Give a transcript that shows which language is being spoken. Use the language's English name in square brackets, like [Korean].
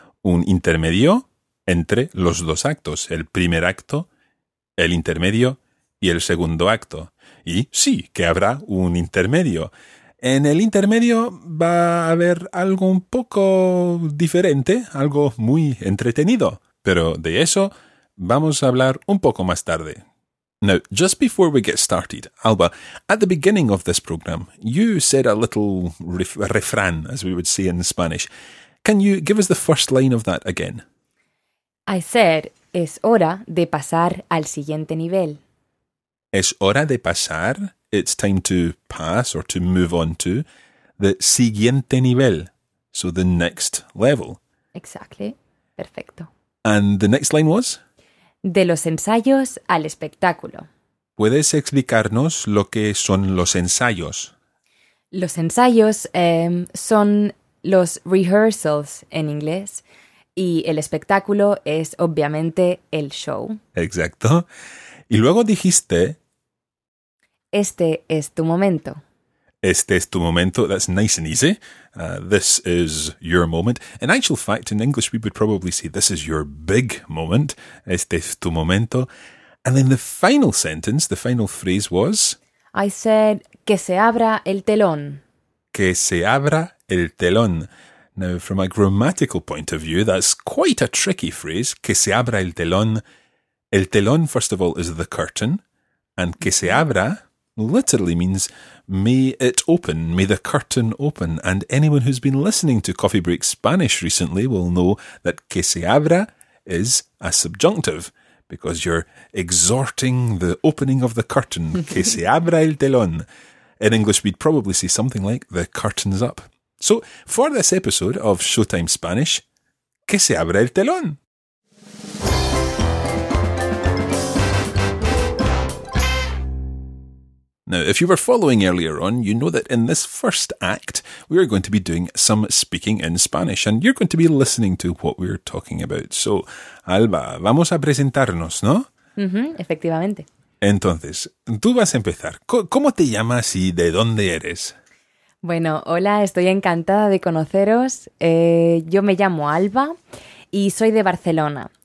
[Spanish] Un intermedio entre los dos actos. El primer acto, el intermedio y el segundo acto. Y sí, que habrá un intermedio. En el intermedio va a haber algo un poco diferente, algo muy entretenido. Pero de eso vamos a hablar un poco más tarde. [English] Now, just before we get started, Alba, at the beginning of this program, you said a little refrain, as we would say in Spanish. Can you give us the first line of that again? I said, [Spanish] es hora de pasar al siguiente nivel. Es hora de pasar, [English] it's time to pass or to move on to, the [Spanish] siguiente nivel, [English] so the next level. Exactly, perfecto. And the next line was? [Spanish] De los ensayos al espectáculo. ¿Puedes explicarnos lo que son los ensayos? Los ensayos son los rehearsals en inglés y el espectáculo es obviamente el show. Exacto. Y luego dijiste... Este es tu momento. Este es tu momento. [English] That's nice and easy. This is your moment. In actual fact, in English, we would probably say, this is your big moment. [Spanish] Este es tu momento. [English] And then the final sentence, the final phrase was? I said, [Spanish] que se abra el telón. Que se abra el telón. [English] Now, from a grammatical point of view, that's quite a tricky phrase. [Spanish] Que se abra el telón. El telón, [English] first of all, is the curtain. And [Spanish] que se abra [English] literally means may it open, may the curtain open. And anyone who's been listening to Coffee Break Spanish recently will know that [Spanish] que se abra [English] is a subjunctive because you're exhorting the opening of the curtain. [Spanish] Que se abra el telón. [English] In English, we'd probably say something like the curtain's up. So for this episode of Showtime Spanish, [Spanish] que se abra el telón. [English] Now, if you were following earlier on, you know that in this first act, we are going to be doing some speaking in Spanish, and you're going to be listening to what we're talking about. [Spanish] So, Alba, vamos a presentarnos, ¿no? Mm-hmm, efectivamente. Entonces, tú vas a empezar. ¿Cómo te llamas y de dónde eres? Bueno, hola, estoy encantada de conoceros. Yo me llamo Alba y soy de Barcelona.